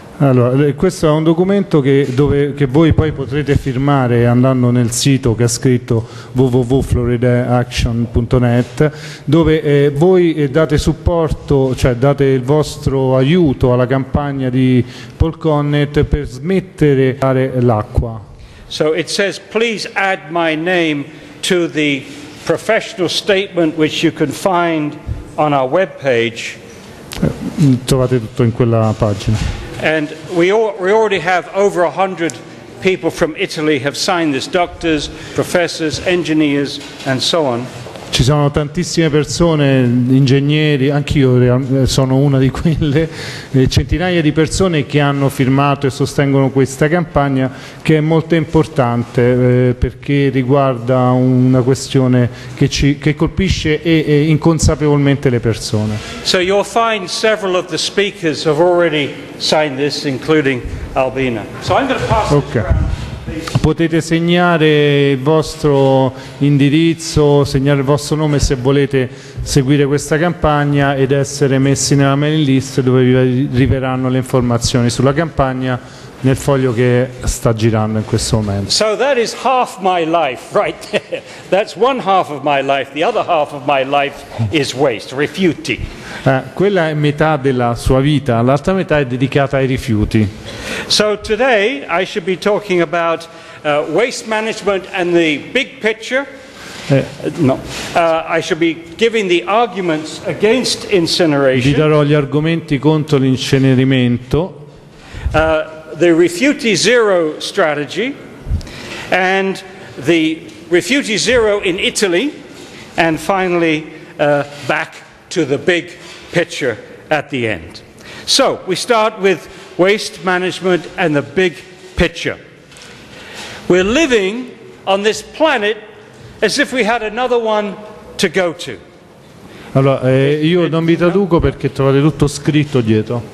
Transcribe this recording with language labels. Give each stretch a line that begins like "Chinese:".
Italian: Allora, questo è un documento che voi poi potrete firmare andando nel sito che ha scritto www.floridaaction.net, dove voi date supporto, cioè date il vostro aiuto alla campagna di Paul Connett per smettere di usare l'acqua.
English: So it says please add my name to the professional statement which you can find on our webpage.
Italian: Trovate tutto in quella pagina.
English: And we already have over 100 people from Italy have signed this, doctors, professors, engineers, and so on.
Italian: Ci sono tantissime persone, ingegneri, anch'io sono una di quelle, centinaia di persone che hanno firmato e sostengono questa campagna, che è molto importante perché riguarda una questione che colpisce e inconsapevolmente le persone.
English: So you'll find several of the speakers have already signed this, including Albina. So I'm going to pass this around.
Italian: Potete segnare il vostro indirizzo, segnare il vostro nome se volete seguire questa campagna ed essere messi nella mailing list dove vi arriveranno le informazioni sulla campagna nel foglio che sta girando in questo momento.
English: So that is half my life right there. That's one half of my life. The other half of my life is waste, rifiuti.
Italian: Quella è metà della sua vita, l'altra metà è dedicata ai rifiuti.
English: So today I should be talking about waste management and the big picture. I shall be giving the arguments against incineration.
Italian: Vi darò gli argomenti contro l'incenerimento.
English: The Rifiuti Zero strategy and the Rifiuti Zero in Italy, and finally back to the big picture at the end. So we start with waste management and the big picture. We're living on this planet as if we had another one to go to.
Italian: Allora, io non vi traduco perché trovate tutto scritto dietro.